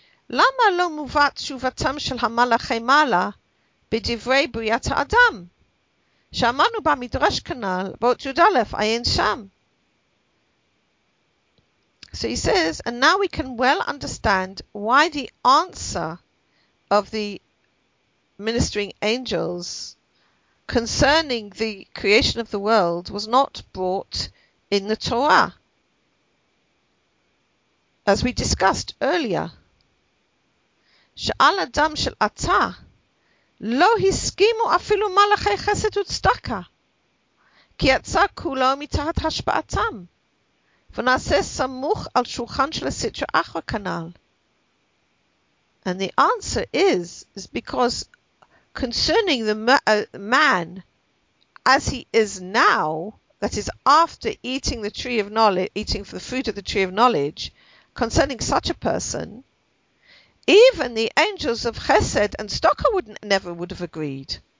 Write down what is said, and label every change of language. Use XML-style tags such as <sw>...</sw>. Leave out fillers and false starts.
<he>למה לא מובא תשובתם של המלאכי מעלה בדברי בריאת האדם? שאמרנו במדרש כנל, באות י' עיין שם.</he> <en>So he says, and now we can well understand why the answer of the ministering angels concerning the creation of the world was not brought in the Torah, as we discussed earlier.</en> <he>שאל אדם של עתה, לא הסכימו אפילו מלאכי חסד וצדקה, כי יצא כולו מתחת השפעתם, ונעשה סמוך על שולחן של הסיטרא אחרא כנ"ל.</he> <en>And the answer is because concerning the man as he is now, that is after eating the tree of knowledge, eating for the fruit of the tree of knowledge, concerning such a person, even the angels of Chesed and Tzedakah would have agreed.</en>